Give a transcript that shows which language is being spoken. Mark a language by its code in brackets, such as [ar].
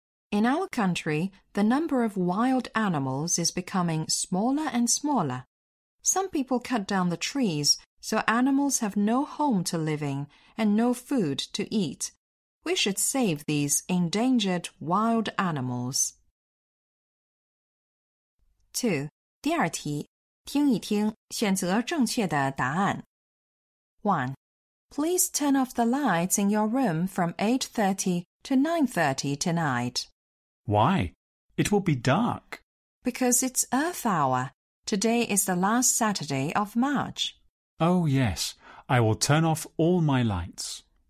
[en] In our country, the number of wild animals is becoming smaller and smaller. Some people cut down the trees, so animals have no home to live in and no food to eat. We should save these endangered wild animals. 2. [zh] 第二题，听一听，选择正确的答案。 1. [en] Please turn off the lights in your room from 8:30 to 9:30 tonight. Why? It will be dark. Because it's Earth Hour. Today is the last Saturday of March. Oh yes, I will turn off all my lights.